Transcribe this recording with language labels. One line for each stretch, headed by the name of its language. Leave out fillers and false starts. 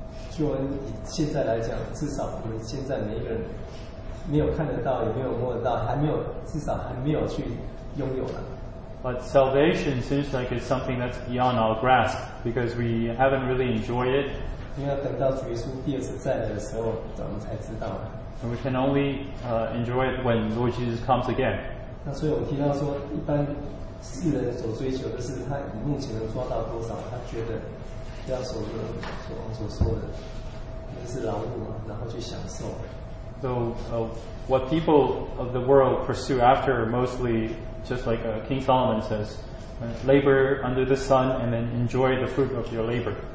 Chinese: 救恩现在来讲，至少我们现在每一个人没有看得到，也没有摸得到，还没有，至少还没有去拥有了。
English: But salvation seems like it's something that's beyond our grasp because we haven't really enjoyed it.
Chinese: 因为等到主耶稣第二次再来的时候，咱们才知道。
English: And we can only enjoy it when Lord Jesus comes again.
Chinese: 那所以我提到说，一般世人所追求的是他目前能抓到多少，他觉得要守着所说的，那是劳碌嘛，然后去享受。
English: So what people of the world pursue after mostly. Just like King Solomon says, labor under the sun and then enjoy the fruit of your labor.